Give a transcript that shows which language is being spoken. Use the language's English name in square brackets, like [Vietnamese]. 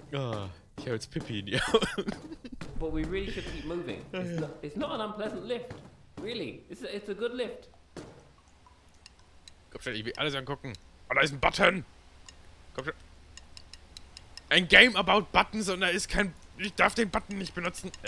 [German] Oh, ich habe jetzt Pippi in die Augen. [English] But we really should keep moving. It's not an unpleasant lift. Really, it's a good lift. [German] Komm schnell, ich will alles angucken. Oh, da ist ein Button. Komm schon. Ein Game about Buttons und da ist kein... Ich darf den Button nicht benutzen.